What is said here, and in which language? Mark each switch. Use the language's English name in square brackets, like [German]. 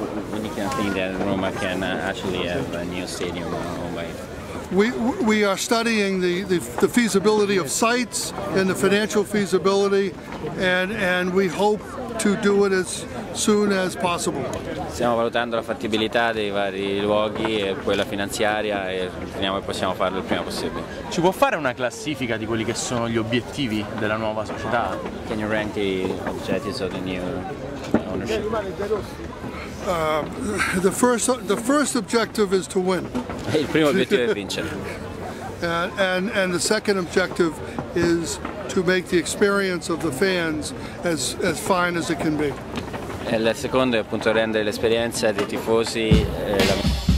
[English] When you can think that Roma can actually have a new stadium owned by it. We are studying the feasibility of sites and the financial feasibility and we hope to do it as soon as possible. [Italian] Stiamo valutando la fattibilità dei vari luoghi e quella finanziaria e riteniamo che possiamo farlo il prima possibile. Ci può fare una classifica di quelli che sono gli obiettivi della nuova società? [English] Can you rank the objectives of the new ownership? The first objective is to win. [Italian] Il primo obiettivo è vincere. [English] And the second objective is to make the experience of the fans as fine as it can be. [Italian] E il secondo è appunto rendere l'esperienza dei tifosi la migliore.